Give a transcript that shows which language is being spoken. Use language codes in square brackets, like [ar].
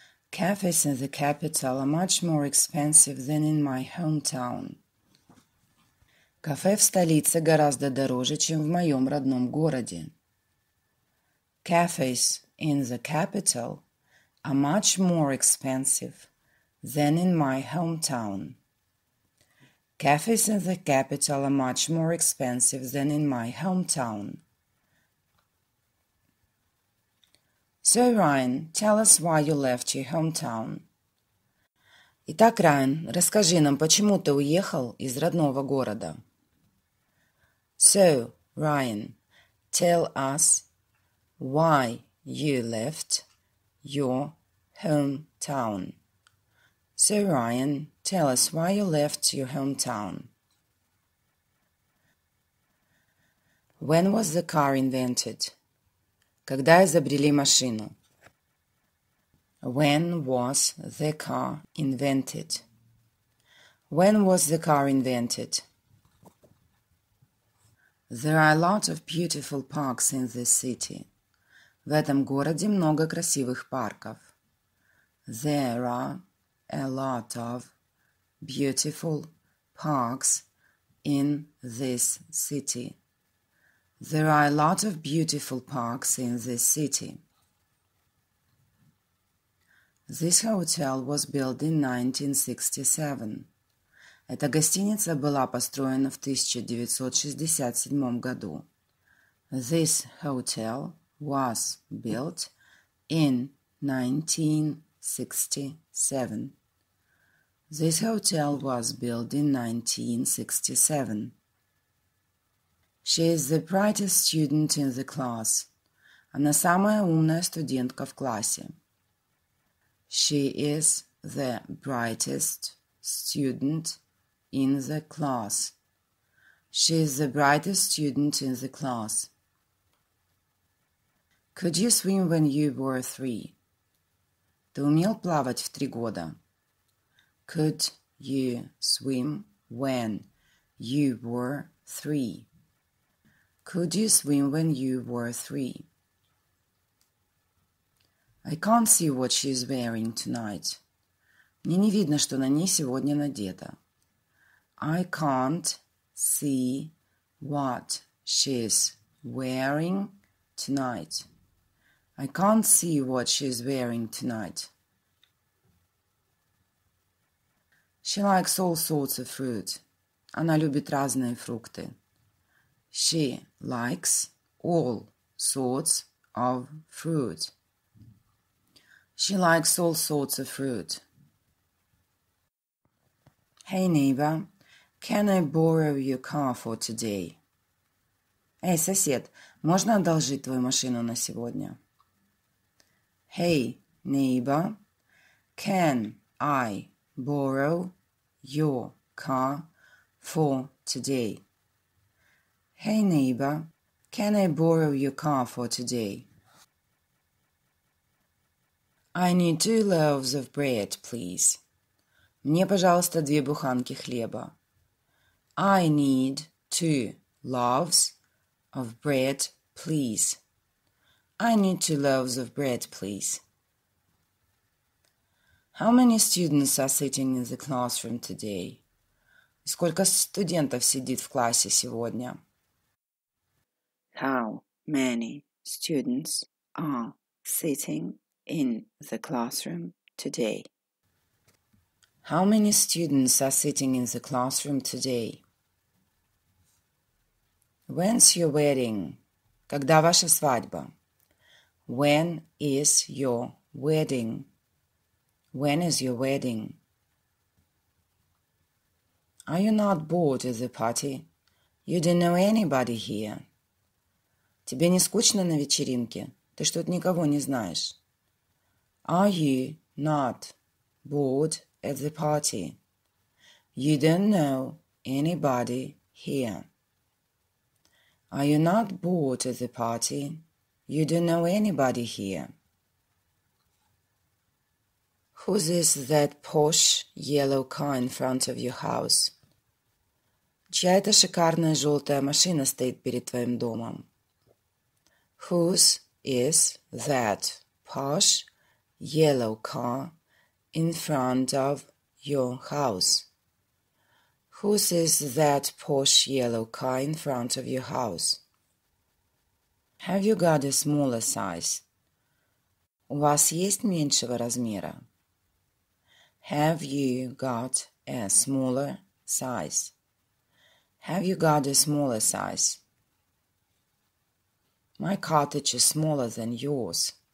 [en] Cafes in the capital are much more expensive than in my hometown. [ru] Кафе в столице гораздо дороже, чем в моем родном городе. [en] Cafes in the capital are much more expensive than in my hometown. Cafes in the capital are much more expensive than in my hometown. So, Ryan, tell us why you left your hometown. [ru] Итак, Райан, расскажи нам, почему ты уехал из родного города. [en] So, Ryan, tell us why you left your hometown. So, Ryan, tell us why you left your hometown. When was the car invented? [ru] Когда изобрели машину? [en] When was the car invented? When was the car invented? There are a lot of beautiful parks in this city. [ru] В этом городе много красивых парков. [en] There are a lot of beautiful parks in this city. There are a lot of beautiful parks in this city. This hotel was built in 1967. [ru] Эта гостиница была построена в 1967 году. [en] This hotel was built in 1967. This hotel was built in 1967. She is the brightest student in the class. [ru] Она самая умная студентка в классе. [en] She is the brightest student in the class. She is the brightest student in the class. Could you swim when you were three? [ru] Ты умел плавать в три года? [en] Could you swim when you were three? Could you swim when you were three? I can't see what she is wearing tonight. [ru] Мне не видно, что на ней сегодня надето. [en] I can't see what she's wearing tonight. I can't see what she's wearing tonight. She likes all sorts of fruit. [ru] Она любит разные фрукты. [en] She likes all sorts of fruit. She likes all sorts of fruit. Hey neighbor, can I borrow your car for today? [ru] Эй, сосед, можно одолжить твою машину на сегодня? [en] Hey neighbor, can I borrow your car for today? Hey neighbor, can I borrow your car for today? I need 2 loaves of bread, please. [ru] Мне, пожалуйста, 2 буханки хлеба. [en] I need 2 loaves of bread, please. I need 2 loaves of bread, please. How many students are sitting in the classroom today? [ru] Сколько студентов сидит в классе сегодня? [en] How many students are sitting in the classroom today? How many students are sitting in the classroom today? When's your wedding? [ru] Когда ваша свадьба? [en] When is your wedding? When is your wedding? Are you not bored at the party? You don't know anybody here. [ru] Тебе не скучно на вечеринке? Ты что-то никого не знаешь. [en] Are you not bored at the party? You don't know anybody here. Are you not bored at the party? You don't know anybody here. Who is that posh yellow car in front of your house? [ru] Чья это шикарная желтая машина стоит перед твоим домом? [en] Whose is that posh yellow car in front of your house? Whose is that posh yellow car in front of your house? Have you got a smaller size? [ru] У вас есть меньшего размера? [en] Have you got a smaller size? Have you got a smaller size? My cottage is smaller than yours.